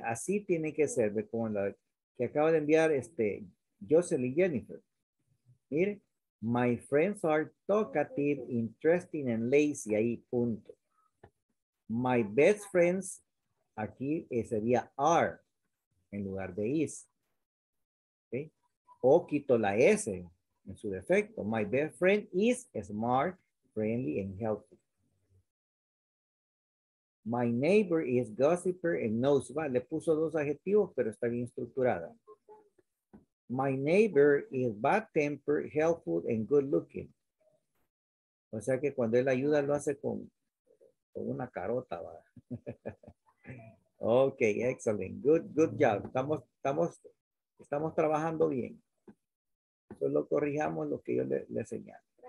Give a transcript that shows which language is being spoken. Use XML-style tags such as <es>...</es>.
<es>Así tiene que ser, como la que acaba de enviar Jocelyn Jennifer. Mire,</es> <en>my friends are talkative, interesting, and lazy.</en> <es>Ahí, punto.</es> <en>My best friends,</en> <es>aquí sería are, en lugar de is. ¿Okay? O quito la S en su defecto.</es> <en>My best friend is smart, friendly, and healthy. My neighbor is gossiper and nosy.</en> <es>Le puso dos adjetivos, pero está bien estructurada.</es> <en>My neighbor is bad tempered, helpful, and good looking.</en> <es>O sea que cuando él ayuda, lo hace con una carota, va.</es> <en>Ok, excellent. Good job.</en> <es>Estamos trabajando bien. Solo corrijamos lo que yo le señalo.</es>